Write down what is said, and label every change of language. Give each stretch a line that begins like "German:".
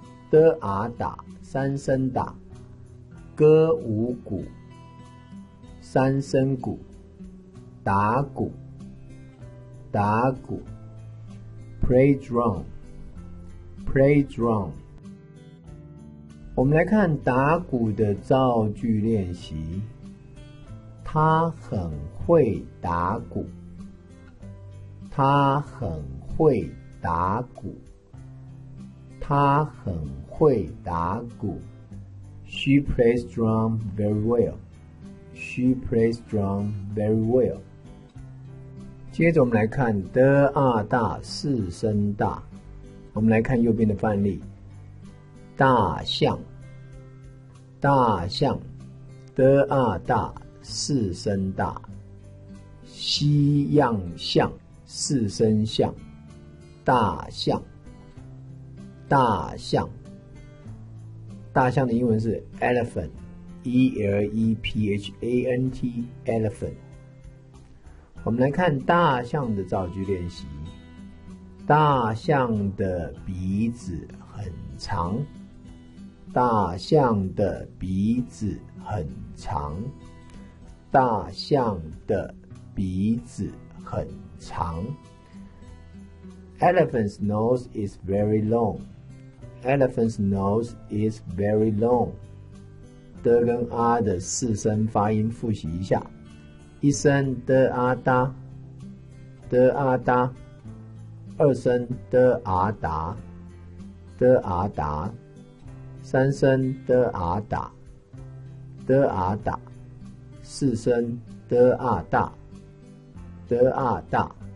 Chinese: 的啊打，三声打，歌舞鼓，三声鼓，打鼓，打鼓 ，
English: play drum，play drum。
Chinese: 我们来看打鼓的造句练习。他很会打鼓，他很会打鼓。他很会打鼓
English: ，She plays drum very well. She plays drum very well.
Chinese: 接着我们来看的啊大四声大，我们来看右边的范例，大象，大象，的啊大四声大，西洋象四声象，大象。大象，大象的英文是 elephant, E-L-E-P-H-A-N-T, elephant。我们来看大象的造句练习。大象的鼻子很长，大象的鼻子很长，大象的鼻子很长。
English: Elephant's nose is very long. Elephant's nose is very long.
Chinese: 的跟啊的四声发音复习一下，一声的啊哒，的啊哒；二声的啊哒，的啊哒；三声的啊哒，的啊哒；四声的啊哒，的啊哒。